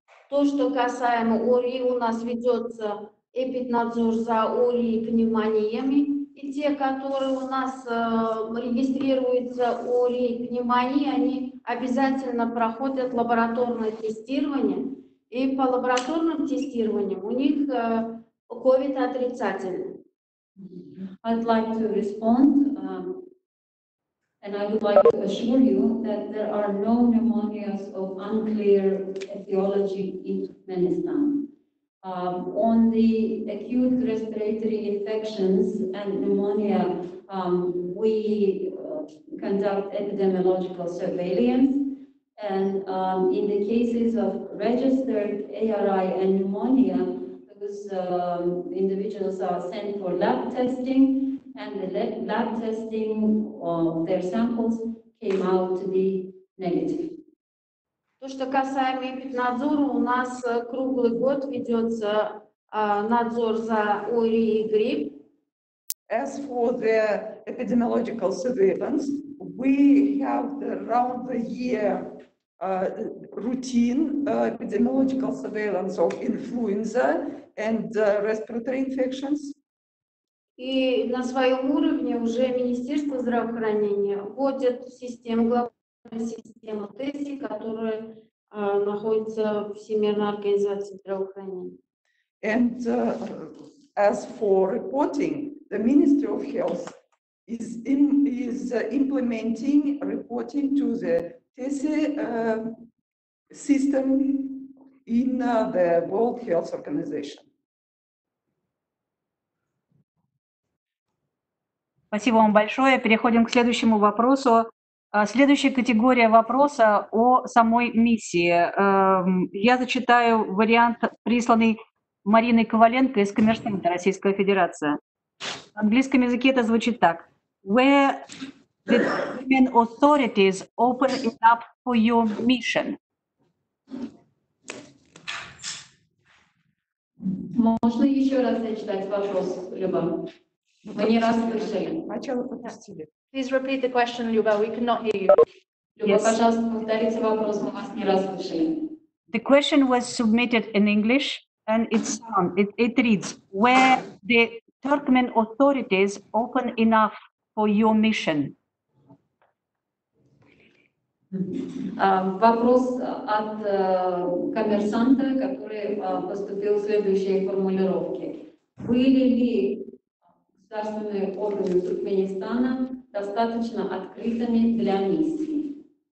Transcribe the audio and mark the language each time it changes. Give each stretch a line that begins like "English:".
Russian: То, что касаемо ОРВИ, у нас ведется эпиднадзор за ОРВИ и пневмониями. И те, которые у нас регистрируются ОРВИ и пневмонии, они обязательно проходят лабораторное тестирование. И по лабораторным тестированиям у них COVID отрицательный.
English: I'd like to respond, and I would like to assure you that there are no pneumonias of unclear etiology in Turkmenistan. On the acute respiratory infections and pneumonia We conduct epidemiological surveillance, and in the cases of registered ARI and pneumonia, those individuals are sent for lab testing, and the lab testing of their samples came out to be negative.
Russian: То, что касаемо эпиднадзора, у нас круглый год ведется надзор за ОРВИ и грипп.
English: As for the epidemiological surveillance, we have the round the year routine epidemiological surveillance of influenza and respiratory infections.
Russian: И на своем уровне уже Министерство здравоохранения вводит в систему глобальную систему тестов, которая находится в Всемирной организации здравоохранения.
English: And as for reporting, the Ministry of Health is implementing reporting to the TESI system in the World Health Organization.
Russian: Спасибо вам большое. Переходим к следующему вопросу. Следующая категория вопроса о самой миссии. Я зачитаю вариант, присланный Мариной Коваленко из Коммерсанта, Российская Федерация. В английском языке это звучит так.
English: Where the Turkmen authorities open it up for your mission?
Russian: Можно еще раз зачитать вопрос, Люба? Мы не раз слышали.
English: Please repeat the question, Люба. We cannot hear you. Люба, yes.
Russian: Пожалуйста, повторите вопрос. Мы вас не раз слышали.
English: The question was submitted in English. And it reads, where the Turkmen authorities open enough for your mission?
Russian: Вопрос от коммерсанта, который поступил в следующей формулировке. Были ли государственные органы Туркменистана достаточно открытыми для миссии?